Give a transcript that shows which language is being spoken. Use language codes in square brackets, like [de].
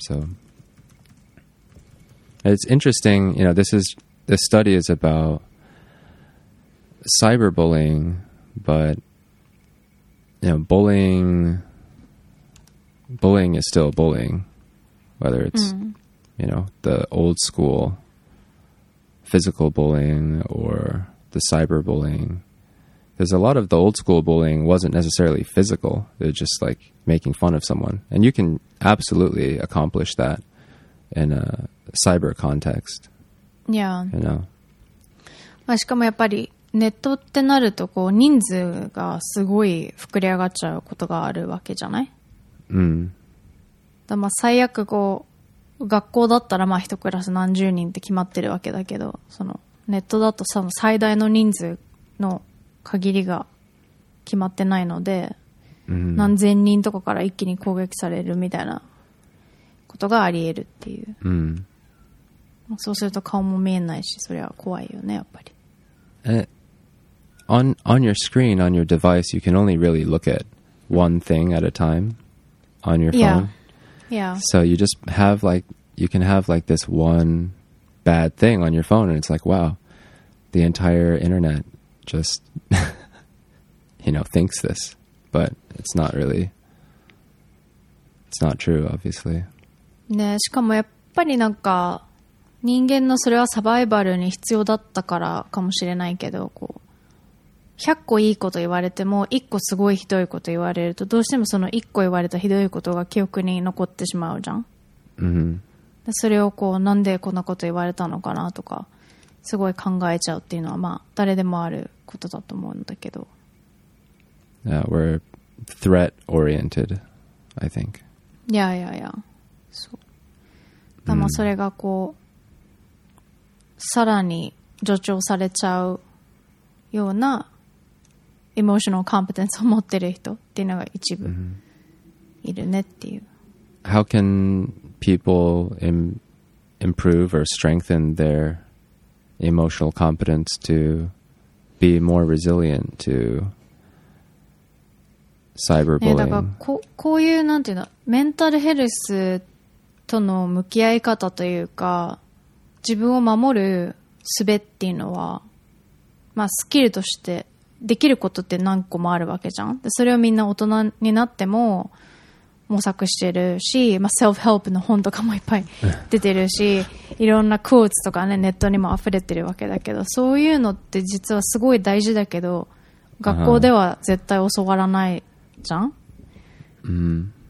[en] So it's interesting, you know, this study is about cyberbullying, but you know, bullying is still bullying, whether it's you know, the old school physical bullying or the cyberbullying. There's a lot of the old school bullying wasn't necessarily physical, it was just like making fun of someone, and you can absolutely accomplish that in a cyber context. Yeah, you know, [ja] まあ、しかもやっぱりネットってなるとこう人数がすごい膨れ上がっちゃうことがあるわけじゃない? うん。だまあ最悪こう学校だったらまあ一クラス何十人って決まってるわけだけど、そのネットだとその最大の人数の限りが決まってないので、うん、何千人とかから一気に攻撃されるみたいなことがあり得るっていう。うん。そうすると顔も見えないし、それは怖いよね、やっぱり。 [en] And on your screen, on your device, you can only really look at one thing at a time on your phone. Yeah. So you just have like, you can have like this one bad thing on your phone, and it's like, wow, the entire internet just, you know, thinks this. But it's not really, it's not true, obviously. [ja] ね、しかもやっぱりなんか、人間のそれはサバイバルに必要だったからかもしれないけど、こう、100個いいこと言われても、1個すごいひどいこと言われると、どうしてもその1個言われたひどいことが記憶に残ってしまうじゃん。うん、でそれをこう、なんでこんなこと言われたのかなとか、すごい考えちゃうっていうのは、まあ、誰でもあることだと思うんだけど。 [en] Yeah, we're threat oriented, I think. Yeah, yeah, yeah. [ja] そう。だまあ、それがこう、さらに助長されちゃうようなエモーショナルコンペテンスを持ってる人っていうのが一部いるねっていう。 [en] How can people improve or strengthen their emotional competence to be more resilient to cyberbullying? [ja] だからこういうなんていうの、メンタルヘルスとの向き合い方というか、自分を守る術っていうのは、まあスキルとしてできることって何個もあるわけじゃん。で、それをみんな大人になっても模索してるし、まあセルフヘルプの本とかもいっぱい出てるし、いろんなクォーツとかね、ネットにも溢れてるわけだけど、そういうのって実はすごい大事だけど、学校では絶対教わらないじゃん。